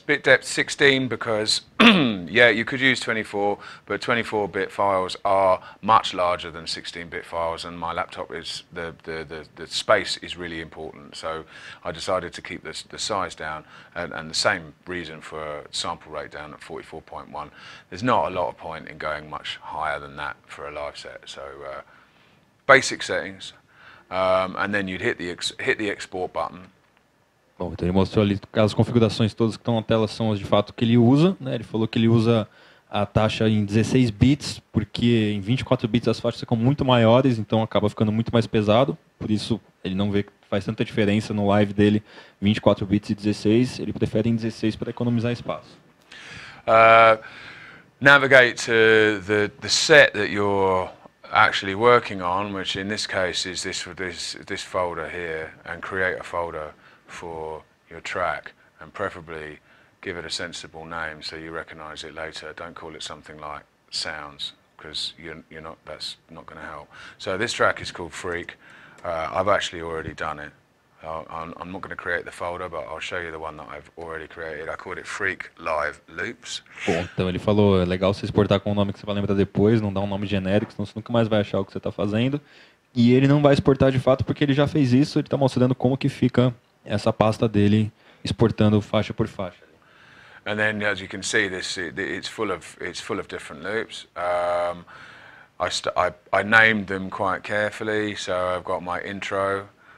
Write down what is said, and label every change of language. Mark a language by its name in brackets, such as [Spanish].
[English] Bit depth 16 because, yeah, you could use 24, but 24-bit files are much larger than 16-bit files, and my laptop is, the space is really important, so I decided to keep the size down, and the same reason for sample rate down at 44.1. There's not a lot of point in going much higher than that for a live set, so basic settings, and then you'd hit the export button. [Portuguese] Bom, então ele mostrou ali as configurações todas que estão na tela são as de fato que ele usa, né? Ele falou que ele usa a taxa em 16 bits, porque em 24 bits as faixas ficam muito maiores, então acaba ficando muito mais pesado, por isso ele não vê que faz tanta diferença no live dele 24 bits e 16, ele prefere em 16 para economizar espaço. [English] Navigate to the set that you're actually working on, which in this case is this folder here, and create a folder for your track, and preferably give it a sensible name so you recognize it later. Don't call it something like Sounds, because that's not going to help. So this track is called Freak. I've actually already done it. I'm not going to create the folder, but I'll show you the one that I've already created. I called it Freak Live Loops. [Portuguese] Bom, então ele falou, é legal você exportar com um nome que você vai lembrar depois, não dar um nome genérico, senão você nunca mais vai achar o que você está fazendo. E ele não vai exportar de fato, porque ele já fez isso, ele está mostrando como que fica essa pasta dele exportando faixa por faixa. [English] And then, as you can see, it's full of different loops. I named them quite carefully, so I've got my intro,